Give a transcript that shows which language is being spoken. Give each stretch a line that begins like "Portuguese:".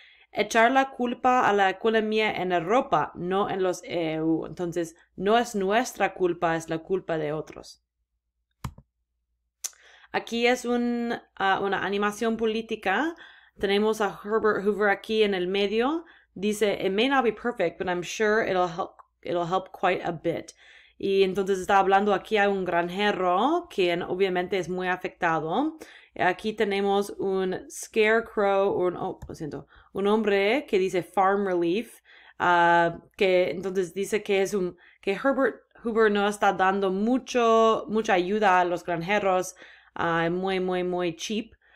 Spanish: Echar la culpa a la economía en Europa, no en los EU. Entonces no es nuestra culpa, es la culpa de otros. Aquí es una animación política. Tenemos a Herbert Hoover aquí en el medio.
English: Dice, "It may not be perfect, but I'm sure it'll help quite a bit."
Spanish: Y entonces está hablando aquí a un granjero, quien obviamente es muy afectado. Aquí tenemos un scarecrow, lo siento, un hombre que dice Farm Relief, que entonces dice que es un que Herbert Hoover no está dando mucha ayuda a los granjeros, muy, muy, muy cheap.